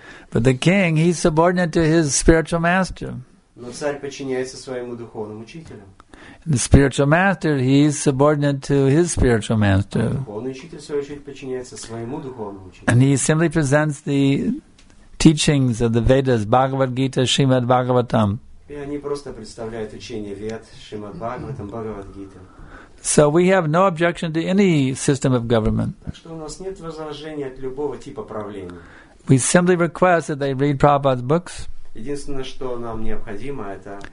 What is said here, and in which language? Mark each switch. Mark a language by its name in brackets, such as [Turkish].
[English] But the king, he's subordinate to his spiritual master. [Russian] Но царь подчиняется своему духовному учителю. [English] And the spiritual master, he's subordinate to his spiritual master. [Russian] Духовный учитель, в свою очередь, подчиняется своему духовному учителю. [English] And he simply presents the teachings of the Vedas, Bhagavad Gita, Srimad Bhagavatam. [Russian] И они просто представляют учение Вед, Шримад Бхагаватам, Бхагавад Гита. [English] So we have no objection to any system of government. [Russian] Так что у нас нет возражений от любого типа правления. [English] We simply request that they read Prabhupada's books. [Russian] Единственное, что нам необходимо, это